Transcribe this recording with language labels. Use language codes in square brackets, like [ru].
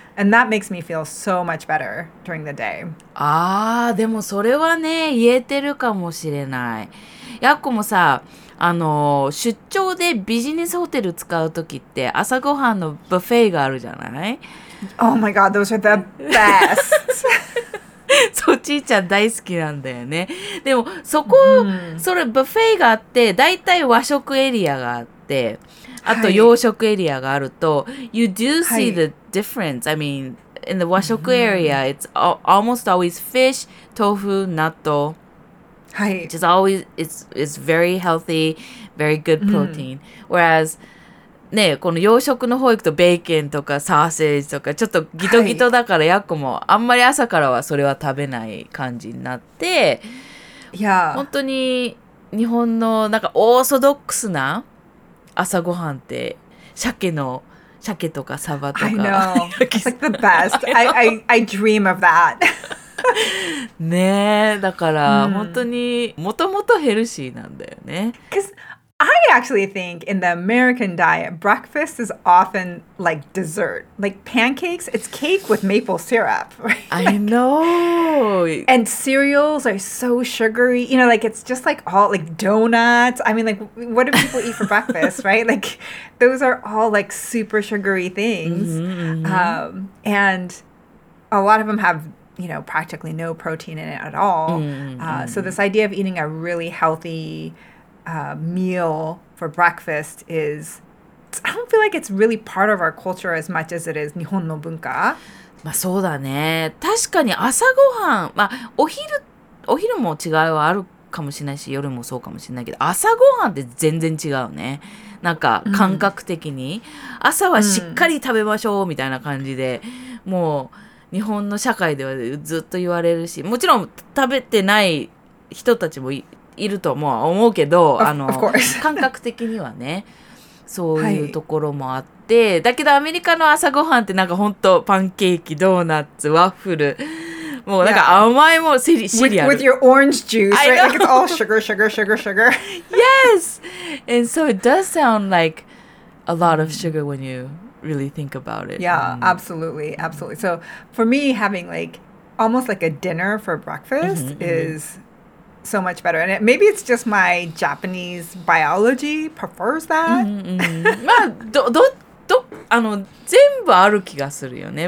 [en] And that makes me feel so much better during the day. [ja] Ah, でもそれはね、言えてるかもしれない。やっこもさ、出張でビジネスホテル使うときって朝ごはんのブッフェがあるじゃない？ [en] Oh my god, those are the best! [ja] そう、ちーちゃん大好きなんだよね。でもそこ、mm. それブッフェがあって、だいたい和食エリアがあって、あと洋食エリアがあると、はい、 [en] You do see the difference. I mean, in the 和食 area,、mm. it's almost always fish, 豆腐、納豆。 Which is always, it's very healthy, very good protein.、Mm. [ja] Whereas, ね、この洋食の方行くとベーコンとかサーセージとかちょっとギトギトだからやっこもあんまり朝からはそれは食べない感じになって、 [en] yeah. [ja] 本当に日本のなんかオーソドックスな朝ごはんって鮭とかサバとか。 [en] I know. It's like the best. I dream of that. [ja] ねえ、だから本当にもともとヘルシーなんだよね。 [en] Because I actually think in the American diet, breakfast is often like dessert. Like pancakes, it's cake with maple syrup, right? I know. And cereals are so sugary. You know, like it's just like all like donuts. I mean, like what do people eat for breakfast, right? Like those are all like super sugary things. Mm-hmm. And a lot of them have, you know, practically no protein in it at all. Mm-hmm. So this idea of eating a really healthy meal for breakfast is, I don't feel like it's really part of our culture as much as it is [ja] 日本の文化。まあそうだね。確かに朝ごはん、まあお昼も違いはあるかもしれないし、夜もそうかもしれないけど、朝ごはんって全然違うね。なんか感覚的に、うん、朝はしっかり食べましょうみたいな感じで、うん、もう日本の社会ではずっと言われるし、もちろん食べてない人たちも いるとも思うけど、感覚的にはね、そういうところもあって、はい、だけどアメリカの朝ごはんってなんか本当パンケーキ、ドーナツ、ワッフル、もうなんか甘いもシリアル。 [en] Yeah. With your orange juice, right? Like it's all sugar, sugar, sugar, sugar. Yes! And so it does sound like a lot of sugar when you... really think about it. Yeah, absolutely, absolutely. So for me, having like almost like a dinner for breakfast mm-hmm, is mm-hmm. so much better. And maybe it's just my Japanese biology prefers that. Mm-hmm. [ja] まあ、ど、あの、全部ある気がするよね。